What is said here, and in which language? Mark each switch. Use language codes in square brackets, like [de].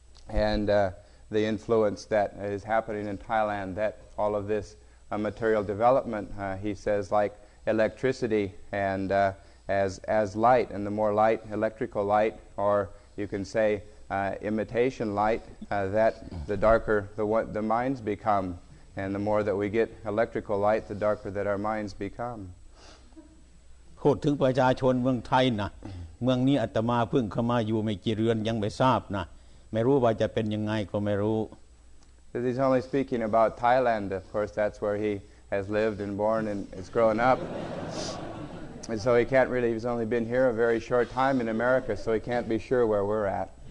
[en] andThe influence that is happening in Thailand, that all of this material development, he says, like electricity and as light, and the more light, electrical light, or you can say imitation light, that the darker the minds become, and the more that we get electrical light, the darker that our minds become. [th] พูดถึงประชาชนเมืองไทยนะเมืองนี้อาตมาเพิ่งเข้ามาอยู่ไม่กี่เรือนยังไม่ทราบนะไม่รู้ว่าจะเป็นยังไงก็ไม่รู้ [en] This is only speaking about Thailand of course that's where he has lived and born and is grown up and so he can't really he's only been here a very short time in America so he can't be sure where we're at